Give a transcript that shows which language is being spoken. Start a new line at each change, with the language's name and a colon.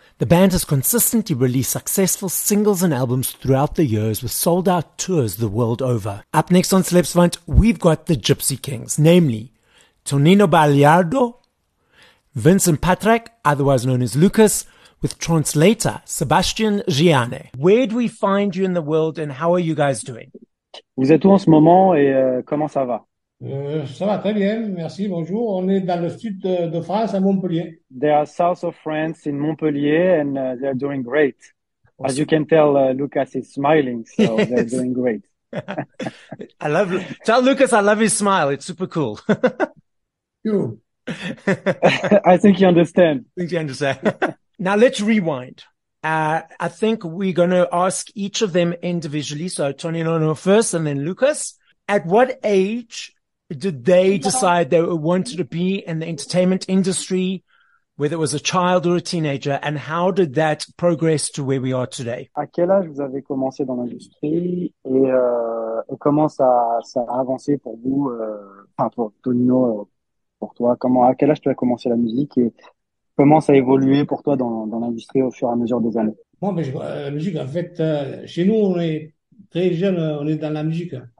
English: The band has consistently released successful singles and albums throughout the years with sold-out tours the world over. Up next on Celeb Savant, we've got the Gypsy Kings, namely Tonino Baliardo, Vincent Patrick, otherwise known as Lucas, with translator Sebastian Giane. Where do we find you in the world and how are you guys doing?
French: Vous êtes où en ce moment et comment ça va? Ça va très bien, merci, bonjour. On est dans le sud de France, à Montpellier.
English: They are south of France in Montpellier and they're doing great. Awesome. As you can tell, Lucas is smiling, so yes. They're doing great. Tell Lucas I love his smile, it's super cool. You. I think you understand. I think you understand. Now let's rewind. I think we're going to ask each of them individually. So Tonino first and then Lucas. At what age did they decide they wanted to be in the entertainment industry, whether it was a child or a teenager, and how did that progress to where we are today?
French: À quel âge vous avez commencé dans l'industrie et comment ça a avancé pour vous, pour Tonino, pour toi, comment, à quel âge tu as commencé la musique et comment ça a évolué pour toi dans l'industrie au fur et à mesure des années? Moi, mais la musique, en fait, chez nous, on est très jeunes, on est dans la musique.